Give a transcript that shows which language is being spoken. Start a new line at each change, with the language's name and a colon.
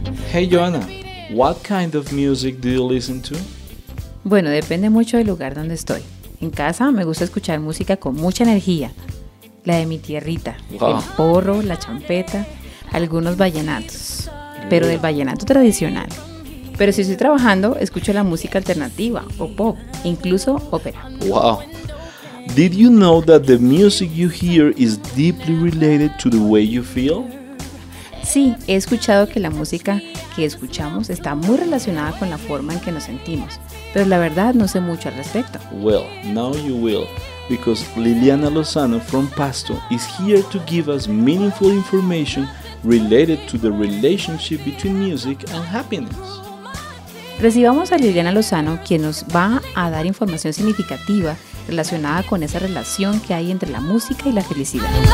English: Hey, Joanna, what kind of music do you listen to?
Spanish: Bueno, depende mucho del lugar donde estoy. En casa me gusta escuchar música con mucha energía. La de mi tierrita. Wow. El porro, la champeta, algunos vallenatos. Pero del vallenato tradicional. Pero si estoy trabajando, escucho la música alternativa o pop, incluso ópera. Wow.
English: Did you know that the music you hear is deeply related to the way you feel?
Spanish: Sí, he escuchado que la música que escuchamos está muy relacionada con la forma en que nos sentimos, pero la verdad no sé mucho al respecto.
English: Well, now you will, because Liliana Lozano from Pasto is here to give us meaningful information related to the relationship between music and happiness.
Spanish: Recibamos a Liliana Lozano, quien nos va a dar información significativa relacionada con esa relación que hay entre la música y la felicidad.